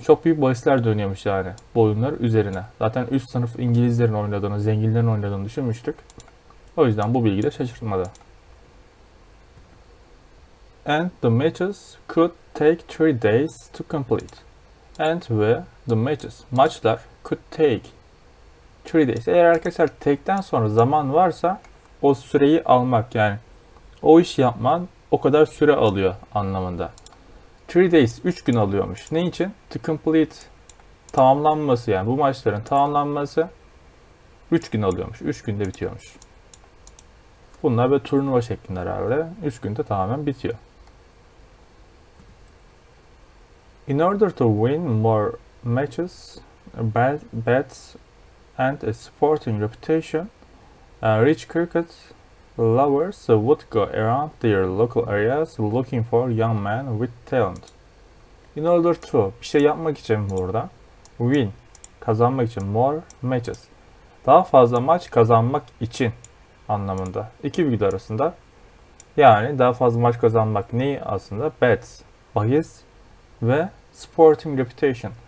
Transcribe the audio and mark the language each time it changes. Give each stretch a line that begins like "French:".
Turkish: Çok büyük bahisler dönüyormuş yani bu oyunlar üzerine. Zaten üst sınıf İngilizlerin oynadığını, zenginlerin oynadığını düşünmüştük. O yüzden bu bilgi de şaşırtmadı.
English: And the matches could take 3 days to complete. And where the matches, maçlar could take 3 days.
Turkish: Eğer arkadaşlar take'ten sonra zaman varsa o süreyi almak, yani o iş yapman o kadar süre alıyor anlamında.
English: 3 days,
Turkish: 3 gün alıyormuş. Ne için?
English: To complete,
Turkish: tamamlanması, yani bu maçların tamamlanması 3 gün alıyormuş. 3 günde bitiyormuş. Bunlar böyle turnuva şeklinde herhalde. 3 günde tamamen bitiyor.
English: In order to win more matches, bets and a sporting reputation, rich cricket lovers would go around their local areas looking for young men with talent. In order to,
Turkish: bir şey yapmak için burada.
English: Win,
Turkish: kazanmak için.
English: More matches,
Turkish: daha fazla maç kazanmak için anlamında. İki bilgi arasında. Yani daha fazla maç kazanmak neyi aslında?
English: Bets,
Turkish: bahis ve
English: sporting reputation.